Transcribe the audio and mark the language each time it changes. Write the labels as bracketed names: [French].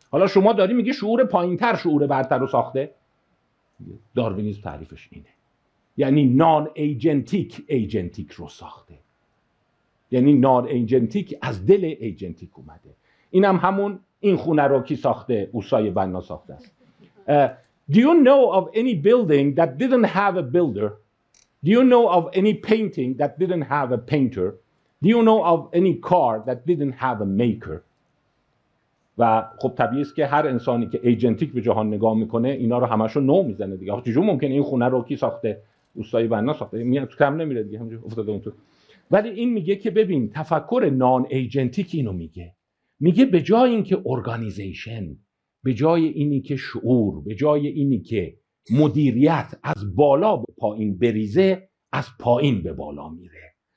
[Persian] حالا شما داری میگی شعور پایینتر شعور برتر رو ساخته؟ داروینیسم تعریفش اینه، یعنی نان ایجنتیک ایجنتیک رو ساخته، یعنی نان ایجنتیک از دل ایجنتیک اومده. اینم همون این خونه رو کی ساخته؟ اوسای بنا ساخته است. [English] Do you know of any building that didn't have a builder? Do you know of any painting that didn't have a painter? Do you know of any car that didn't have a maker? [Persian] و خب طبیعی است که هر انسانی که ایجنتیک به جهان نگاه میکنه اینا رو همشو نو میزنه دیگه. چجور ممکنه این خونه رو کی ساخته؟ اوسای بنا ساخته. میاد تو کم نمیره دیگه، همونجوری افتاده اون تو. ولی این میگه که ببین تفکر نان ایجنتیک اینو میگه، میگه به جای اینکه ارگانیزیشن، به جای اینی که شعور، به جای اینی که مدیریت از بالا به پایین بریزه، از پایین به بالا میره.